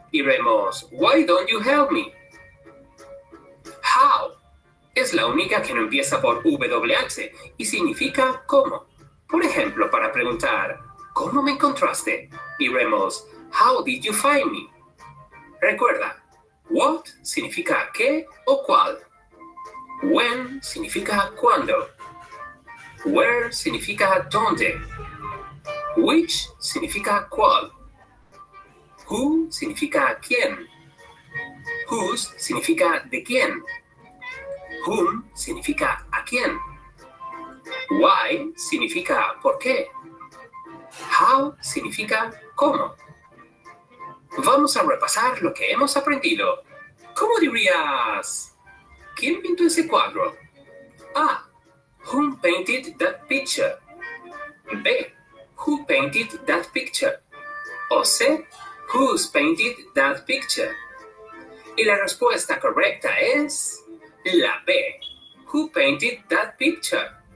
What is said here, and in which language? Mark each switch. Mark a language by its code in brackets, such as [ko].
[es] Diremos, [en] why don't you help me? [es] How es la única que no empieza por WH y significa cómo. Por ejemplo, para preguntar, ¿cómo me encontraste? Diremos, [en] how did you find me? [es] Recuerda, what significa qué o cuál. When significa cuándo. Where significa dónde. Which significa cuál. Who significa quién. Whose significa de quién. Whom significa a quién. Why significa por qué. How significa cómo. Vamos a repasar lo que hemos aprendido. ¿Cómo dirías? ¿Quién pintó ese cuadro? A. [en] Whom painted that picture? B. Who painted that picture? O C. Who's painted that picture? [es] Y la respuesta correcta es la B. [en] Who painted that picture?